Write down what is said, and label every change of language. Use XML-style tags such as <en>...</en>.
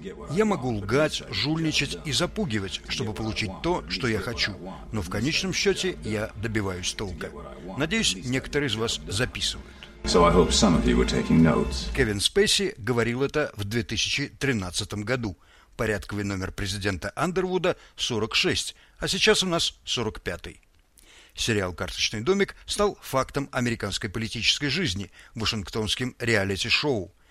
<ru>Я могу лгать, жульничать и запугивать, чтобы получить то, что я хочу. Но в конечном счете я добиваюсь толка. Надеюсь, некоторые из вас записывают.</ru> <en>So I hope some of you were taking notes.</en> <ru>Кевин Спейси говорил это в 2013 году. Порядковый номер президента Андервуда 46, а сейчас у нас 45-й. Сериал «Карточный домик» стал фактом американской политической жизни, вашингтонским реалити-шоу.</ru>